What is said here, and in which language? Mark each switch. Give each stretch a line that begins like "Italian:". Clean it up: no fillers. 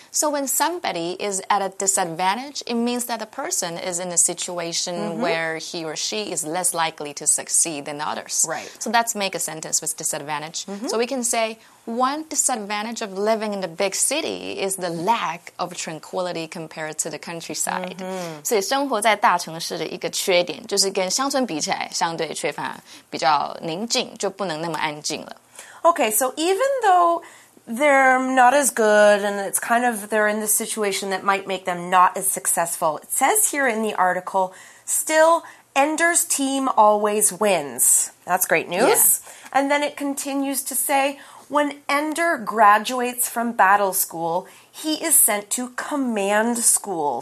English: So, when somebody is at a disadvantage, it means that the person is in a situation where he or she is less likely to succeed than others. Right. So, let's make a sentence with disadvantage. So we can say, one disadvantage of living in the big city is the lack of tranquility compared to the countryside.
Chinese: 所以生活在大城市的一个缺点就是跟乡村比起来相对缺乏比较宁静，就不能那么安静了。
English: Okay, so even though they're not as good and it's kind of they're in the situation that might make them not as successful, it says here in the article, still, Ender's team always wins. That's great news. Yeah. And then it continues to say, when Ender graduates from battle school, he is sent to command school.